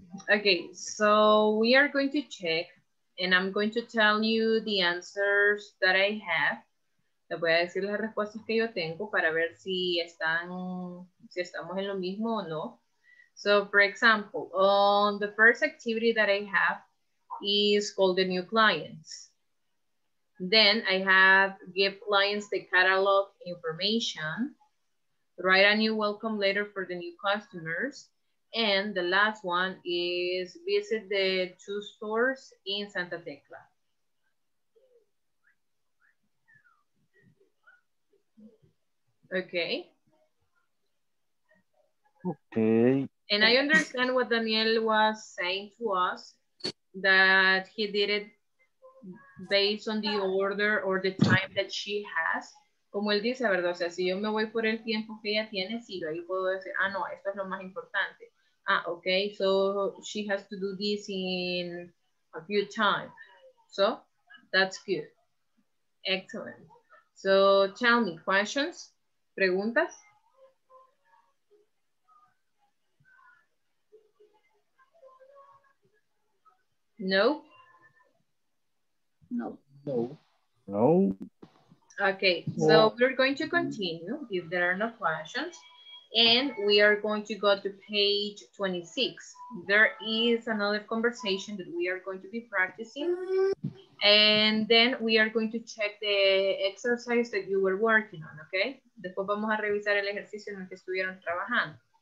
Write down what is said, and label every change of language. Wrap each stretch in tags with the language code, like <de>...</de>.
<en>Okay, so we are going to check and I'm going to tell you the answers that I have.</en> <es>Les voy a decir las respuestas que yo tengo para ver si estamos en lo mismo o no.</es> <en>So, for example, on the first activity that I have is call the new clients. Then I have give clients the catalog information, write a new welcome letter for the new customers. And the last one is visit the two stores in Santa Tecla. Okay. Okay. And I understand what Daniel was saying to us, that he did it based on the order or the time that she has.</en> <es>Como él dice, ¿verdad? O sea, si yo me voy por el tiempo que ella tiene, sí, ahí puedo decir, ah, no, esto es lo más importante.</es> <en>Ah, okay, so she has to do this in a few times. So that's good. Excellent. So tell me, questions?</en> <es>¿Preguntas?</es> <en>No? No. No. No. Okay, so we're going to continue if there are no questions. And we are going to go to page 26. There is another conversation that we are going to be practicing. And then we are going to check the exercise that you were working on, okay?</en> <es>Después vamos a revisar el ejercicio en el que estuvieron trabajando.</es>